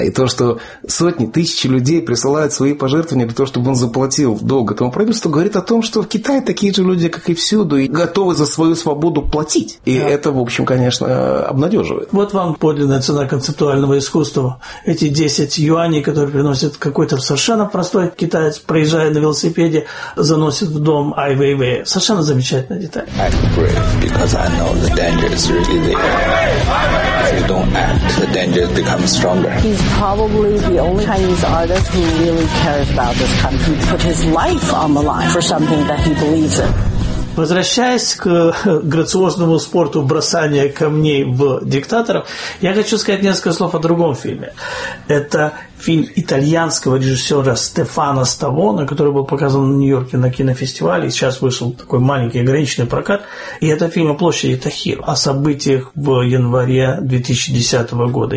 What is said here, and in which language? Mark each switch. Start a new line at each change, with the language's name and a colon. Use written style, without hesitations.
Russian: И то, что сотни, тысячи людей присылают свои пожертвования для того, чтобы он заплатил долг этому правительству, говорит о том, что в Китае такие же люди, как и всюду, и готовы за свою свободу платить. И это, в общем, конечно, обнадеживает. Вот вам подлинная цена концептуального искусства. Эти 10 юаней, которые приносит какой-то совершенно простой китаец, проезжая на велосипеде, заносит в дом Ай Вейвея. Совершенно замечательная деталь.
English: I'm brave because I know the danger is really there. If you don't act, the danger becomes stronger. He's probably the only Chinese artist who really cares about this country. He put his life on the line for something that he believes in.
Russian: Возвращаясь к грациозному спорту бросания камней в диктаторов, я хочу сказать несколько слов о другом фильме. Это фильм итальянского режиссера Стефано Ставона, который был показан в Нью-Йорке на кинофестивале. Сейчас вышел такой маленький ограниченный прокат. И это фильм о площади Тахир, о событиях в январе 2010 года.